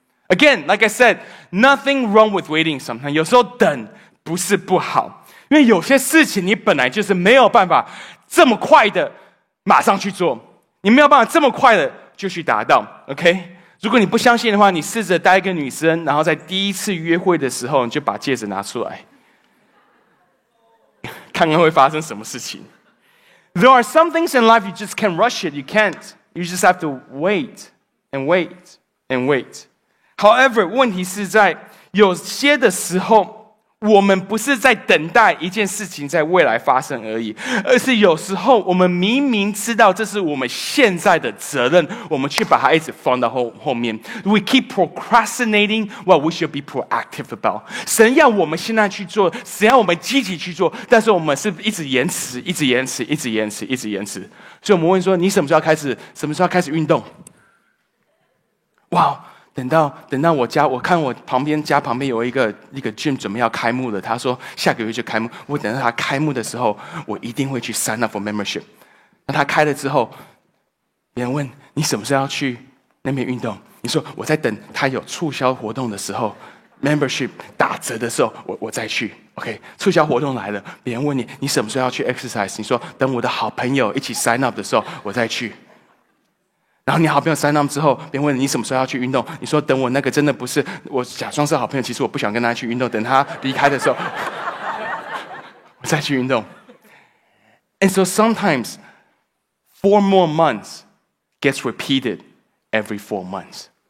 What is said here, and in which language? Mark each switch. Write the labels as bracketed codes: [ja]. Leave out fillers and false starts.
[en] Again, like I said, nothing wrong with waiting sometimes. [zh] 有时候等不是不好，因为有些事情你本来就是没有办法这么快的马上去做，你没有办法这么快的就去达到。 OK， 如果你不相信的话，你试着带一个女生，然后在第一次约会的时候你就把戒指拿出来，看看会发生什么事情。 [en] There are some things in life you just can't rush it. You can't. You just have to wait and wait and wait. [zh] However， 问题是在有些的时候我们不是在等待一件事情在未来发生而已，而是有时候我们明明知道这是我们现在的责任，我们却把它一直放到后面。 [en] We keep procrastinating what we should be proactive about. [zh] 神要我们现在去做，神要我们积极去做，但是我们是一直延迟，一直延迟，一直延迟，一直延迟。所以我们问说，你什么时候开始？什么时候开始运动？哇！等到我家，我看我家旁边有一个 gym 准备要开幕了，他说下个月就开幕，我等到他开幕的时候我一定会去 [en] sign up for membership。 [zh] 那他开了之后别人问你什么时候要去那边运动，你说我在等他有促销活动的时候， membership 打折的时候我再去。 OK， 促销活动来了，别人问你什么时候要去 exercise， 你说等我的好朋友一起 sign up 的时候我再去。然后你好朋友 sign up 之后，别人问你什么时候要去运动，你说等我那个真的不是，我假装是好朋友，其实我不想跟他去运动，等他离开的时候我再去运动。 [en] And so sometimes 4 more months gets repeated every 4 months.